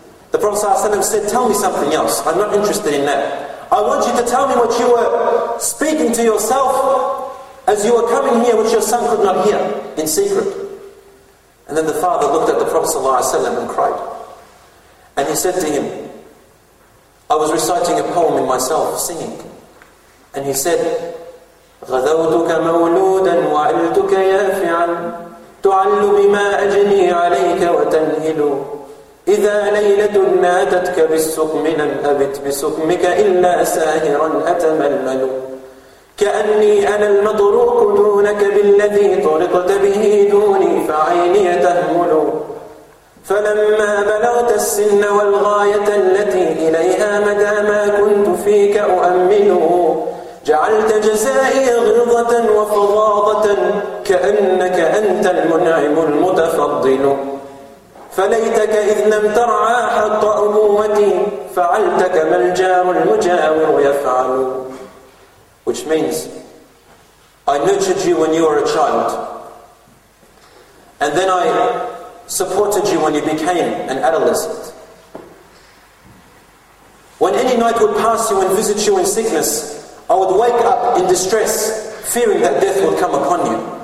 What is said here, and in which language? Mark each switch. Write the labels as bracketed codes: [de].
[en] The Prophet ﷺ said, "Tell me something else. I'm not interested in that. I want you to tell me what you were speaking to yourself as you were coming here, which your son could not hear in secret." And then the father looked at the Prophet ﷺ and cried. And he said to him, "I was reciting a poem in myself, singing." And he said, [ar] "غَذَوْتُكَ مَوْلُودًا وَعِلْتُكَ يَافِعًا تُعَلُّ بِمَا أَجْنِي عَلَيْكَ وَتَنْهِلُ إِذَا لَيْلَةٌ نَاتَتْكَ بِالسُّقْمِ لَمْ أَبِتْ بِسُقْمِكَ إِلَّا سَاهِرًا أَتَمَلَّلُ كَأَنِّي أَنَا الْمَطْرُوقُ دُونَكَ بِالَّذِي طُرِقْتَ بِهِ دُونِي فَعَيْنِي تَهْمُلُ فلما بلغت السن والغاية التي إليها مدى ما كنت فيك أؤمنه جعلت جزائي غلظة وفظاظة كأنك أنت المنعم المتفضل فليتك إذ لم ترعى حق أمومتي فعلت كما الجار المجاور يفعل." [en] Which means, I nurtured you when you were a child, and then I supported you when you became an adolescent. When any night would pass you and visit you in sickness, I would wake up in distress, fearing that death would come upon you.